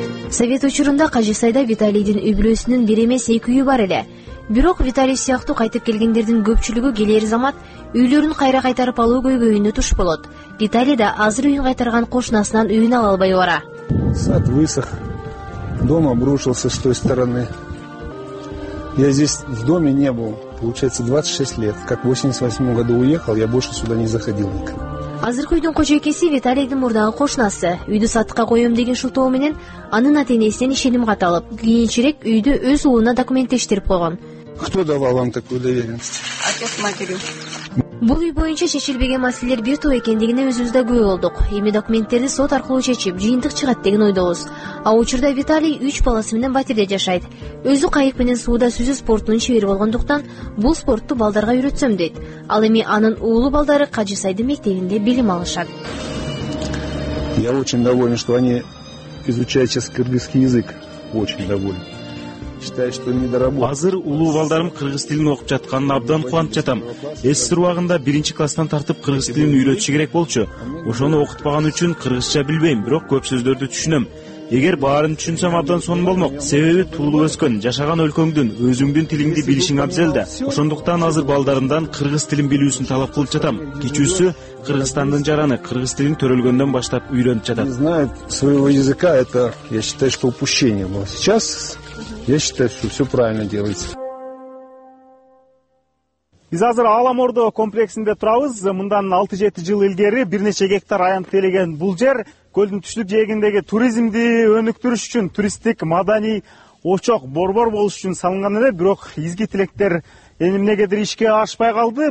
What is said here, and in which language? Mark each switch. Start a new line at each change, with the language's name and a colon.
Kyrgyz: Совет учурунда Кажысайда Виталийдин үй бүлөсүнүн бир эмес эки үйү бар эле. Бирок Виталий сыяктуу кайтып келгендердин көпчүлүгү келер замат үйлөрүн кайра кайтарып алуу көйгөйүнө туш болот. Виталий да азыр үйүн кайтарган кошунасынан үйүн ала албай бара.
Russian: Сад высох, дом обрушился с той стороны. Я здесь в доме не был, получается, 26 лет. Как в 88 году уехал, я больше сюда не заходил никогда.
Kyrgyz: Азыркы үйдүн кожойкеси Виталийдин мурдагы кошунасы. Үйдү сатыкка коем деген шылтоо менен анын ата-энесинен ишеним кат алып, кийинчерээк үйдү өз уулуна документтештирип койгон.
Russian: Кто давал вам такую доверенность? Отец матери.
Kyrgyz: Бул үй боюнча чечилбеген маселелер бир топ экендигине өзүбүз да күбө болдук. Эми документтерди сот аркылуу чечип, жыйынтык чыгат деген ойдобуз. А учурда Виталий 3 баласы менен батирде жашайт. Өзү кайык менен сууда сүзүү спортунун чебери болгондуктан, бул спортту балдарга үйрөтсөм дейт. Ал эми анын уулу балдары Кажысайдын мектебинде билим алышат.
Russian: Я очень доволен, что они изучают сейчас кыргызский язык. Очень доволен.
Kyrgyz: Азыр улуу балдарым кыргыз тилин окуп жатканына абдан кубанып жатам. СССР убагында биринчи класстан тартып кыргыз тилин үйрөтүшү керек болчу. Ошону окутпаган үчүн кыргызча билбейм, бирок көп сөздөрдү түшүнөм. Эгер баарын түшүнсөм абдан сонун болмок. Себеби туулуп өскөн, жашаган өлкөңдүн, өзүңдүн тилиңди билишиң абзел да. Ошондуктан азыр балдарымдан кыргыз тилин билүүсүн талап кылып жатам. Кичүүсү Кыргызстандын жараны, кыргыз тилин төрөлгөндөн баштап үйрөнүп жатат.
Russian: Не знает своего языка, это, я считаю, что упущение было. Сейчас я считаю, что все правильно делается.
Kyrgyz: Биз азыр Ала-Мордо комплексинде турабыз. Мындан 6-7 жыл илгери бир нече гектар аянтты ээлеген бул жер көлдүн түштүк жээгиндеги туризмди өнүктүрүш үчүн туристтик маданий очок борбор болуш үчүн салынган эле. Бирок изги тилектер эмнегедир ишке ашпай калды.